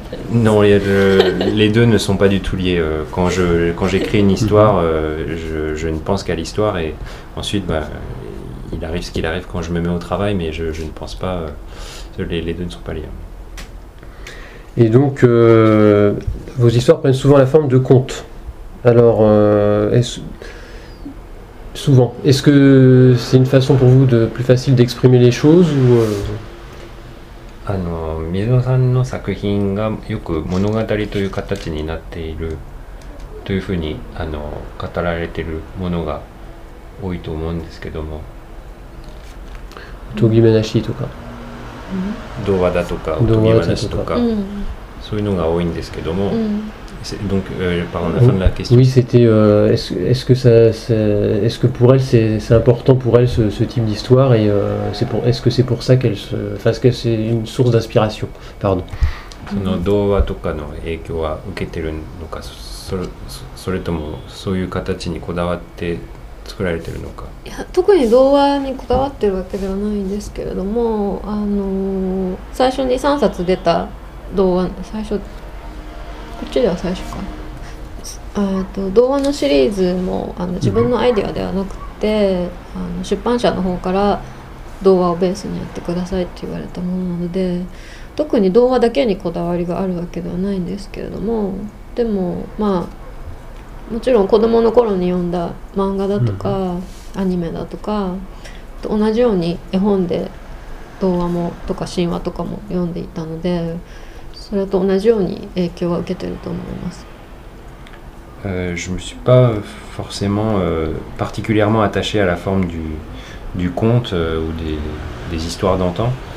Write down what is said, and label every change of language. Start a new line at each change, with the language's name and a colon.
French: Non, les deux ne sont pas du tout liés. Quand j'écris une histoire, je ne pense qu'à l'histoire, et ensuite, il arrive ce qu'il arrive quand je me mets au travail, mais je ne pense pas. Les deux ne sont pas liés. Et donc, vos histoires prennent souvent la forme de contes. Alors, est-ce que c'est une façon pour vous de plus facile d'exprimer les choses ou?
Japanese: あの水野さんの作品がよく物語という形になっているというふうに語られているものが多いと思うんですけども、おとぎ話とか童話だとかおとぎ話とかそういうのが多いんですけども、
French: donc par la fin de la question. Oui, c'était est-ce que pour elle c'est important pour elle ce type d'histoire, et est-ce que c'est pour ça qu'elle se fasse, que c'est une source d'inspiration, pardon.
Japanese: その童話とかの影響は受けてるのか、それともそういう形にこだわって作られてるのか。いや、特に童話にこだわってるわけではないんですけれども、最初に3冊出た童話、最初こっちでは最初か、童話のシリーズも自分のアイデアではなくて、出版社の方から童話をベースにやってくださいって言われたものなので、特に童話だけにこだわりがあるわけではないんですけれども、でもまあもちろん子どもの頃に読んだ漫画だとかアニメだとかと同じように絵本で童話もとか神話とかも読んでいたので、それと同じように影響は受けていると思います。
French: Je me suis pas forcément particulièrement attaché à la forme du conte ou des histoires d'antan.